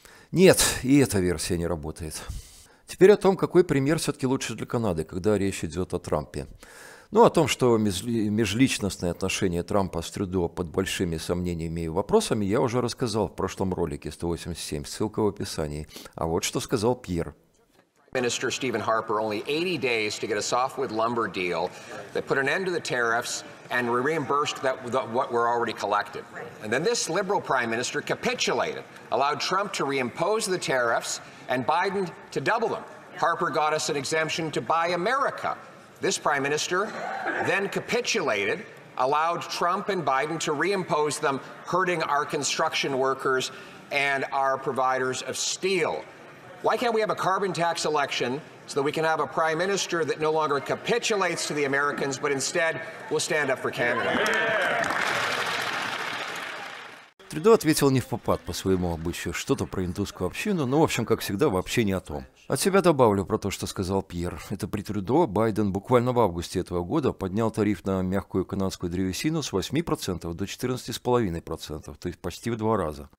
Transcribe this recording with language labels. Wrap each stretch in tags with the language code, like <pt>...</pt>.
<ru>Нет, и эта версия не работает. Теперь о том, какой пример все-таки лучше для Канады, когда речь идет о Трампе. Ну, о том, что межличностные отношения Трампа с Трюдо под большими сомнениями и вопросами, я уже рассказал в прошлом ролике 187, ссылка в описании. А вот что сказал Пьер. Министр</ru> <en>Стивен Харпер, only 80 days to get a softwood lumber deal that put an end to the tariffs and reimbursed that what were already collected. And then this liberal prime minister capitulated, allowed Trump to reimpose the tariffs and Biden to double them. Harper got us an exemption to buy America. This prime minister then capitulated, allowed Trump and Biden to reimpose them, hurting our construction workers and our providers of steel. Why can't we have a carbon tax election so that we can have a prime minister that no longer capitulates to the Americans, but instead will stand up for Canada?</en> <ru>Трюдо ответил не в попад по своему обычаю, что-то про индусскую общину, но, в общем, как всегда, вообще не о том. От себя добавлю про то, что сказал Пьер. Это при Трюдо Байден буквально в августе этого года поднял тариф на мягкую канадскую древесину с 8% до 14,5%, то есть почти в два раза.</ru>